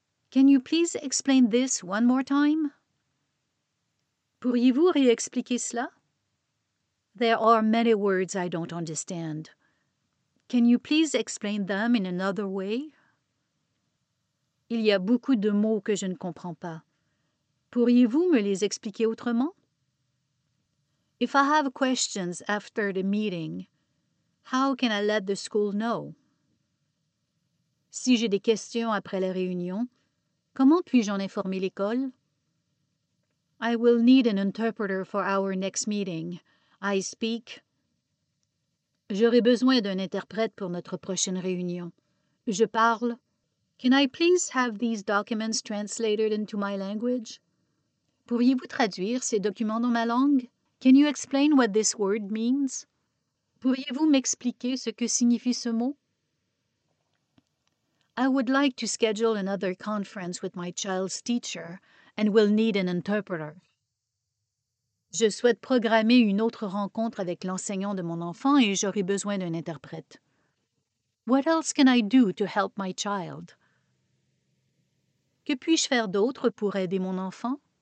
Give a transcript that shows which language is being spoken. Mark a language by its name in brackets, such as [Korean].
[English] Can you please explain this one more time? [French] Pourriez-vous réexpliquer cela? [English] There are many words I don't understand. Can you please explain them in another way? [French] Il y a beaucoup de mots que je ne comprends pas. Pourriez-vous me les expliquer autrement? [English] If I have questions after the meeting, how can I let the school know? [French] Si j'ai des questions après la réunion, comment puis-je en informer l'école? [English] I will need an interpreter for our next meeting. I speak. [French] J'aurai besoin d'un interprète pour notre prochaine réunion. Je parle. [English] Can I please have these documents translated into my language? [French] Pourriez-vous traduire ces documents dans ma langue? [English] Can you explain what this word means? [French] Pourriez-vous m'expliquer ce que signifie ce mot? [English] I would like to schedule another conference with my child's teacher and will need an interpreter. [French] Je souhaite programmer une autre rencontre avec l'enseignant de mon enfant et j'aurai besoin d'un interprète. [English] What else can I do to help my child? [French] Que puis-je faire d'autre pour aider mon enfant?